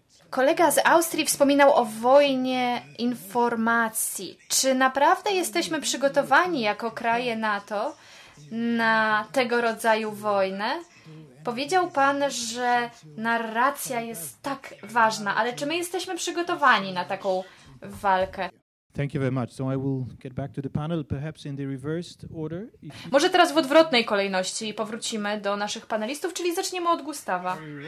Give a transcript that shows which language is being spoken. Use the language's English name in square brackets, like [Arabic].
[Polish] Kolega z Austrii wspominał o wojnie informacji. Czy naprawdę jesteśmy przygotowani jako kraje NATO na tego rodzaju wojnę? Powiedział pan, że narracja jest tak ważna, ale czy my jesteśmy przygotowani na taką walkę? [English] Thank you very much. So I will get back to the panel, perhaps in the reversed order. [Polish] Może teraz w odwrotnej kolejności powrócimy do naszych panelistów, czyli zaczniemy od Gustawa.